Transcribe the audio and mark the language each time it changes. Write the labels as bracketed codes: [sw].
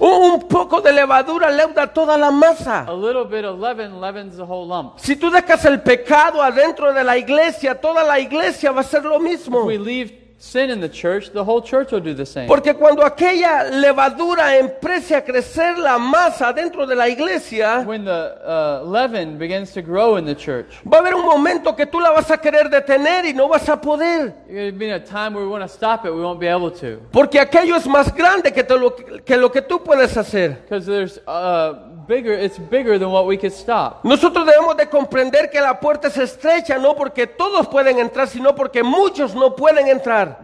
[es] Un poco de levadura leuda toda la masa. [en] A little bit of leaven leavens the whole lump. [es] Si tú dejas el pecado adentro de la iglesia, toda la iglesia va a ser lo mismo. [en] If we leave sin in the church, the whole church will do the same. [es] Porque cuando aquella levadura empiece a crecer la masa dentro de la iglesia, [en] when the leaven begins to grow in the church, [es] va a haber un momento que tú la vas a querer detener y no vas a poder. [en] There'll be a time where we want to stop it, we won't be able to. [es] Porque aquello es más grande que lo que tú puedes hacer. [en] Because there's bigger, it's bigger than what we could stop. [es] Nosotros debemos de comprender que la puerta es estrecha, no porque todos pueden entrar, sino porque muchos no pueden entrar.